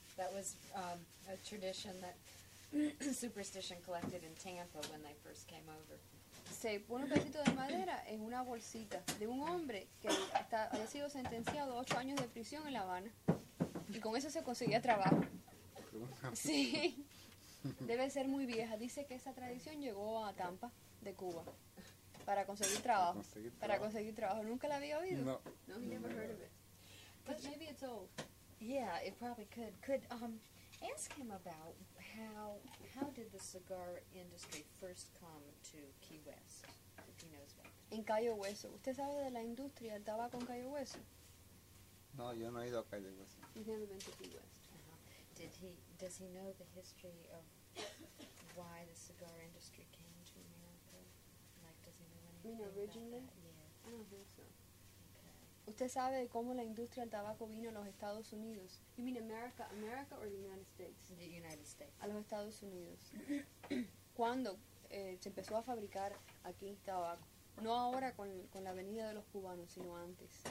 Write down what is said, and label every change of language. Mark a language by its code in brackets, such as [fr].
[en] That was a tradition that superstition collected in Tampa when they first came over. [es] Se pone un pedacito de madera en una bolsita de un hombre que había sido sentenciado a 8 años de prisión en La Habana. Y con eso se conseguía trabajo. Sí. Debe ser muy vieja. Dice que esa tradición llegó a Tampa, de Cuba, para conseguir trabajo. Para conseguir trabajo. ¿Nunca la había oído? No. [en] No, he never heard of it. But maybe it's old. Yeah, it probably could. Could ask him about how did the cigar industry first come to Key West, if he knows about that. [es] En Cayo Hueso. ¿Usted sabe de la industria del tabaco en Cayo Hueso? No, yo no he ido a Cayo Hueso. [en] He's never been to Key West. Does he know the history of why the cigar industry came to America? Like, does he know anything originally? About that? Yeah. I don't think so. Okay. [es] ¿Usted sabe cómo la industria del tabaco vino a los Estados Unidos? [en] You mean America or the United States? The United States. [es] A los Estados Unidos. ¿Cuándo se empezó a fabricar aquí tabaco? No ahora con la venida de los cubanos, sino antes.